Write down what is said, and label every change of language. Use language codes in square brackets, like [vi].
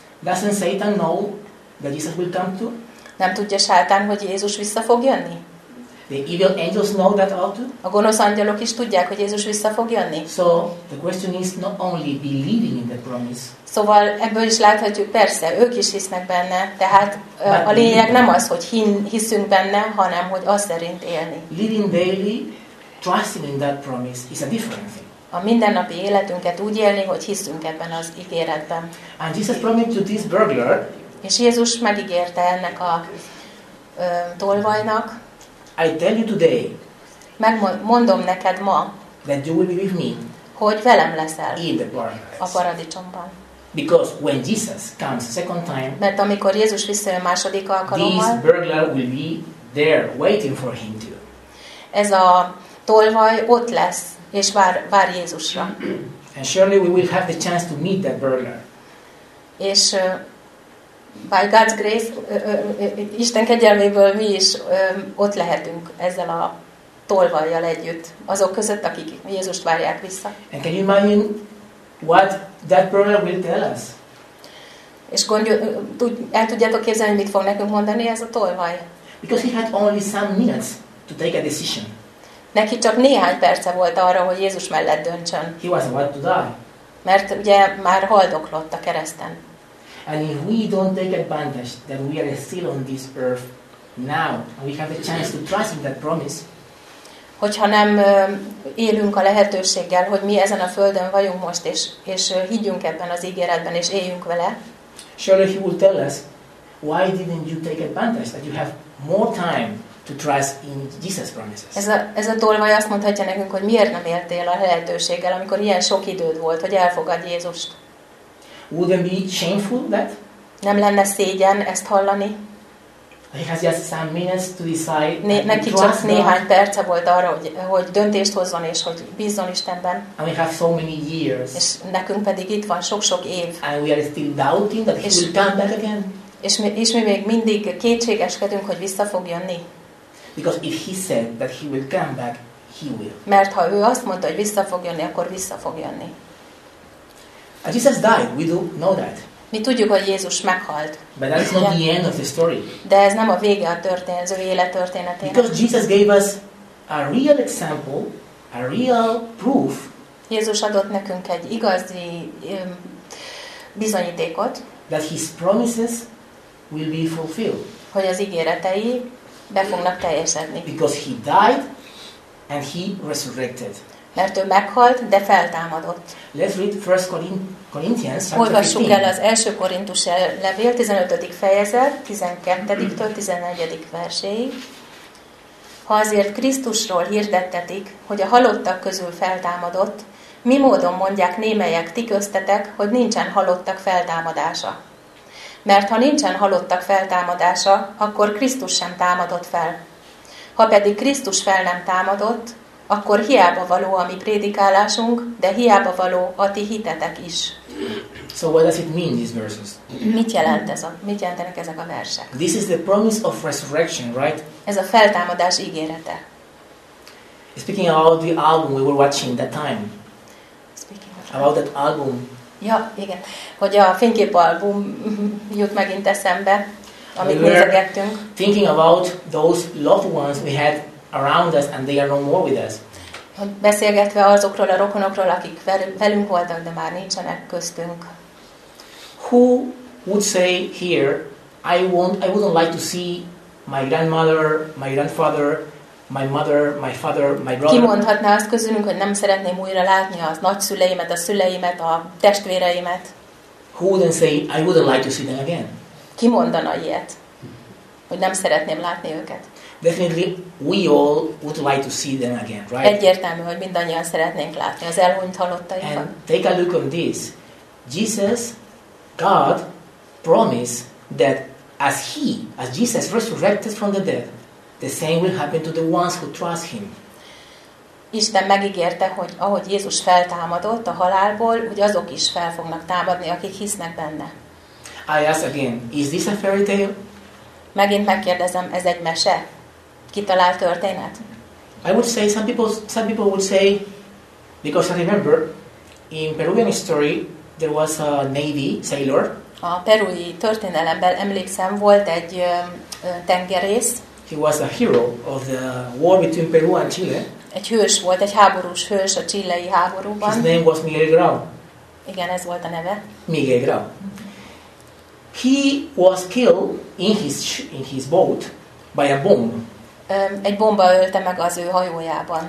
[en] Doesn't Satan know that Jesus will come too? [hu] Nem tudja Sátán, hogy Jézus vissza fog jönni? [en] The evil angels know that all too. [hu] A gonosz angyalok is tudják, hogy Jézus vissza fog jönni. [en] So the question is not only believing in the promise. [hu] Szóval ebből is láthatjuk, persze, ők is hisznek benne, tehát a lényeg nem az, hogy hiszünk benne, hanem hogy az szerint élni. [en] Living daily, trusting in that promise is a different thing. [hu] A mindennapi életünket úgy élni, hogy hiszünk ebben az ígéretben. [en] And Jesus promised to this burglar. [hu] És Jézus megígérte ennek a tolvajnak. [en] I tell you today. [hu] Megmondom neked ma. [en] That you will be with me. [hu] Hogy velem leszel. [en] In the paradise. [hu] A paradicsomban. [en] Because when Jesus comes second time. [hu] Mert amikor Jézus visszajön második alkalommal. [en] This burglar will be there waiting for him too. [hu] Ez a tolvaj ott lesz és vár Jézusra. [en] And surely we will have the chance to meet that burglar. [hu] És [en] by God's grace, [hu] Isten kegyelméből mi is ott lehetünk ezzel a tolvajjal együtt, azok között, akik Jézust várják vissza. [en] And can you imagine what that burglar will tell us? [hu] És el tudjátok képzelni, mit fog nekünk mondani ez a tolvaj? [en] Because he had only some minutes to take a decision. [hu] Neki csak néhány perce volt arra, hogy Jézus mellett döntsön. [en] He was about to die. [hu] Mert ugye már haldoklott a kereszten. [en] And if we don't take advantage that we are still on this earth now, we have a chance to trust in that promise. [hu] Hogyha nem élünk a lehetőséggel, hogy mi ezen a földön vagyunk most és higgyünk ebben az ígéretben és éljünk vele. [en] Surely he will tell us, why didn't you take advantage that you have more time to trust in Jesus promises? [hu] Ez a tolvaj azt mondhatja nekünk, hogy miért nem éltél a lehetőséggel, amikor ilyen sok időd volt, hogy elfogadj Jézust. [en] Wouldn't be shameful that? [hu] Nem lenne szégyen ezt hallani? [en] He has just some minutes to decide. [hu] Neki csak néhány perce volt arra, hogy döntést hozzon és hogy bízzon Istenben. [en] And we have so many years. [hu] És nekünk pedig itt van sok-sok év. [en] And we are still doubting that he will come back again. [hu] És mi még mindig kétségeskedünk, hogy vissza fog jönni. [en] Because if he said that he will come back, he will. [hu] Mert ha ő azt mondta, hogy vissza fog jönni, akkor vissza fog jönni. [en] And Jesus died. We do know that. [hu] Mi tudjuk, hogy Jézus meghalt. [en] But that's not the end of the story. [hu] De ez nem a vége a történet, az ő élettörténetének. [en] Because Jesus gave us a real example, a real proof. [hu] Jézus adott nekünk egy igazi bizonyítékot. [en] That his promises will be fulfilled. [hu] Hogy az ígéretei be fognak teljesedni. [en] Because he died and he resurrected. [hu] Mert ő meghalt, de feltámadott. [en] Let's read 1 Corinthians. [hu] Olvassuk el az 1. Korintus levél 15. fejezet 12-től 14. verséig. Ha azért Krisztusról hirdettetik, hogy a halottak közül feltámadott, mi módon mondják némelyek ti köztetek, hogy nincsen halottak feltámadása? Mert ha nincsen halottak feltámadása, akkor Krisztus sem támadott fel. Ha pedig Krisztus fel nem támadott, akkor hiába való a mi prédikálásunk, de hiába való a ti hitetek is. [en] So what does it mean, these verses? [hu] Mit jelentenek ezek a versek? [en] This is the promise of resurrection, right? [hu] Ez a feltámadás ígérete. [en] Speaking about the album we were watching that time. Speaking about that album. [hu] Ja, igen. Hogy a fényképalbum jut megint eszembe. amit nézegettünk. [en] Thinking about those loved ones we had around us and they are no more with us. [hu] Beszélgetve azokról a rokonokról, akik velünk voltak, de már nincsenek köztünk. [en] Who would say here, I wouldn't like to see my grandmother, my grandfather, my mother, my father, my brother. [hu] Ki mondhatná azt közülünk, hogy nem szeretném újra látni az nagyszüleimet, a szüleimet, a testvéreimet? [en] Who wouldn't say I wouldn't like to see them again? [hu] Ki mondaná ilyet, hogy nem szeretném látni őket? [en] Definitely we all would like to see them again, right? [hu] Egyértelmű, hogy mindannyian szeretnénk látni az elhunyt halottaikat. [en] And take a look on this. Jesus, God promised that as Jesus resurrected from the dead, the same will happen to the ones who trust him. [hu] Isten megígérte, hogy ahogy Jézus feltámadott a halálból, hogy azok is fel fognak támadni, akik hisznek benne. [en] I ask again, is this a fairy tale? [hu] Megint megkérdezem, ez egy mese? Kitalált történet? [en] I would say some people would say, because I remember in Peruvian history there was a navy sailor. [hu] A perui történelemben emlékszem, volt egy tengerész. [en] He was a hero of the war between Peru and Chile. [hu] Egy hős volt, egy háborús hős a chilei háborúban. [en] His name was Miguel Grau. [hu] Igen, ez volt a neve. [en] Miguel Grau. He was killed in his boat by a bomb. [hu] Egy bomba ölte meg az ő hajójában.